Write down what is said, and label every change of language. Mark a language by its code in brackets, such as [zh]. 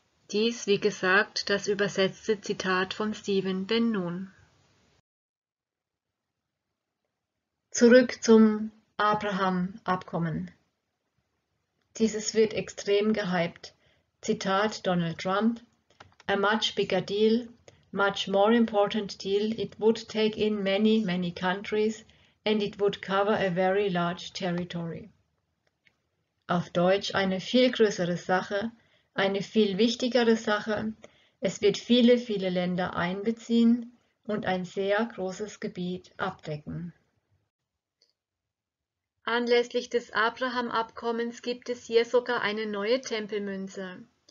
[de] Dies, wie gesagt, das übersetzte Zitat von Stephen Bannon. Zurück zum Abraham-Abkommen. Dieses wird extrem gehypt. Zitat [en] Donald Trump: A much bigger deal. Much more important deal, it would take in many, many countries and it would cover a very large territory. [de] Auf Deutsch eine viel größere Sache, eine viel wichtigere Sache, es wird viele, viele Länder einbeziehen und ein sehr großes Gebiet abdecken. Anlässlich des Abraham-Abkommens gibt es hier sogar eine neue Tempelmünze.